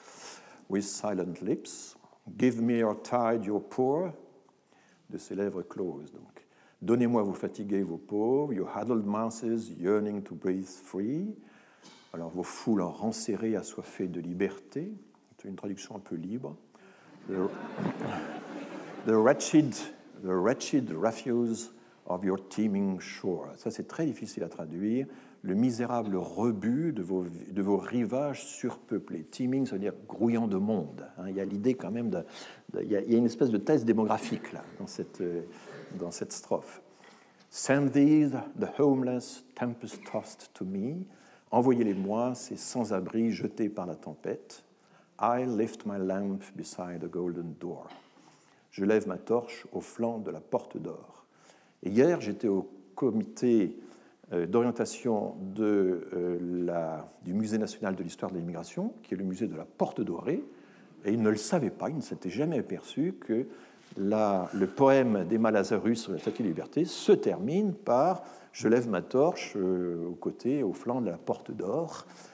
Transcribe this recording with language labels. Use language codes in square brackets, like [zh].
[en] « With silent lips, give me your tide, your poor », [fr] de ses lèvres closes. Donc, « Donnez-moi vos fatigués, vos pauvres, [en] your huddled masses yearning to breathe free [fr] », alors vos foules en renserrées, assoiffées de liberté. C'est une traduction un peu libre. [en] The wretched refuse of your teeming shore. [fr] Ça, c'est très difficile à traduire. Le misérable rebut de vos rivages surpeuplés. Teeming, ça veut dire grouillant de monde. Il y a l'idée quand même il y a une espèce de thèse démographique là, dans cette strophe. [en] Send these, the homeless, tempest-tossed to me. [fr] Envoyez-les-moi, ces sans-abri jetés par la tempête. [en] I lift my lamp beside a golden door. [fr] Je lève ma torche au flanc de la porte d'or. Et hier, j'étais au comité d'orientation du Musée national de l'histoire de l'immigration, qui est le musée de la Porte Dorée, et ils ne le savaient pas, ils ne s'étaient jamais aperçus que le poème d'Emma Lazarus sur la Statue de la Liberté se termine par « Je lève ma torche aux côtés, au flanc de la Porte d'Or ».